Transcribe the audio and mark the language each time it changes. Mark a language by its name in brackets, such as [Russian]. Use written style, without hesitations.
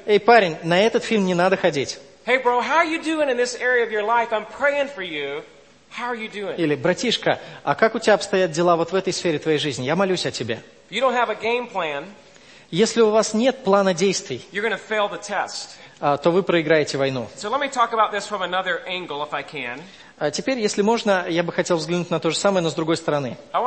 [Russian] «Эй, парень, на этот фильм не надо ходить». [English] Hey, bro, how are you doing in this area of your life? I'm praying for you. How are you doing? [Russian] Или: «Братишка, а как у тебя обстоят дела вот в этой сфере твоей жизни? Я молюсь о тебе». [English] If you don't have a game plan, [Russian] если у вас нет плана действий, [English] you're gonna fail the test. [Russian] То вы проиграете войну. [English] So let me talk about this from another angle, if I can. [Russian] Теперь, если можно, я бы хотел взглянуть на то же самое, но с другой стороны.